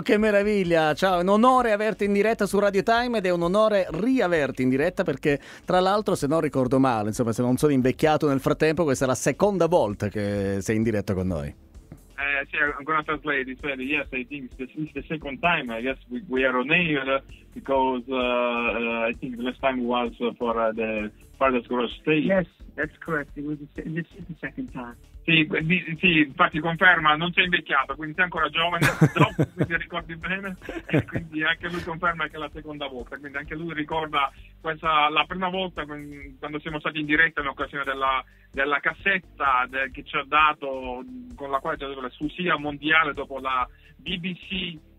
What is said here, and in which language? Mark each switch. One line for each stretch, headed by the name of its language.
Italian: che meraviglia, ciao, è un onore averti in diretta su Radio Time, ed è un onore riaverti in diretta, perché tra l'altro, se non ricordo male, insomma, se non sono invecchiato nel frattempo, questa è la seconda volta che sei in diretta con noi.
English: Sì, I'm gonna translate this way, yes, I think it's the second time, I guess we are on air, because I think the last time was for the Father's Cross State. Yes, that's correct, it was the second time.
Italian: Sì, infatti conferma, non sei invecchiato, quindi sei ancora giovane, quindi ricordi bene, e quindi anche lui conferma che è la seconda volta, quindi anche lui ricorda questa, la prima volta quando siamo stati in diretta in occasione della cassetta che ci ha dato, con la quale ci ha dato l'esclusiva mondiale dopo la BBC